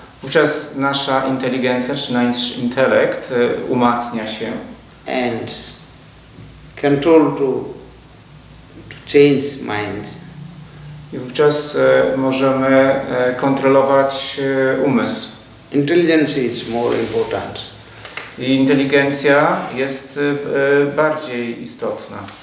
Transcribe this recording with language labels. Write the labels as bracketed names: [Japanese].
[Polish] Wówczas nasza inteligencja, czy nasz intelekt, umacnia się. [English] And control to change minds. [Polish] I wówczas możemy kontrolować umysł. [English] Intelligence is more important. [Polish] I inteligencja jest bardziej istotna.